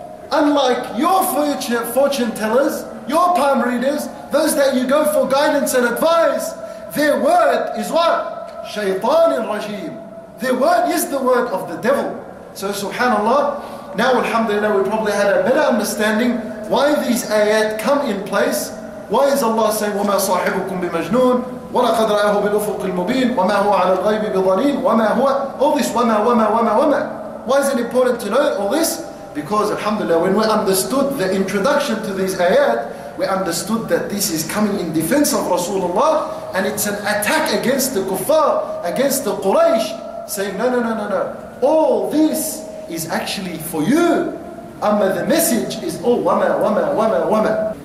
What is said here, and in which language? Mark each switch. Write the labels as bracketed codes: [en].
[en] Unlike your fortune tellers, your palm readers, those that you go for guidance and advice, their word is what? Shaytan al-Rajim. Their word is the word of the devil. So subhanAllah, now alhamdulillah, we probably had a better understanding why these ayat come in place. Why is Allah saying, [ar] وَمَا صَاحِبُكُمْ بِمَجْنُونَ وَلَقَدْ رَآهُ بِالْأُفُقِ الْمُبِينِ وَمَا هُوَ عَلَى الْغَيْبِ بِضَنِينَ وَمَا هُوَ. [en] All this [ar] وَمَا وَمَا وَمَا وَمَا. [en] Why is it important to know all this? Because alhamdulillah, when we understood the introduction to these ayat, we understood that this is coming in defense of Rasulullah, and it's an attack against the kuffar, against the Quraysh, saying no. All this is actually for you. Amma, the message is all [ar] وَمَا وَمَا وَمَا وَمَا.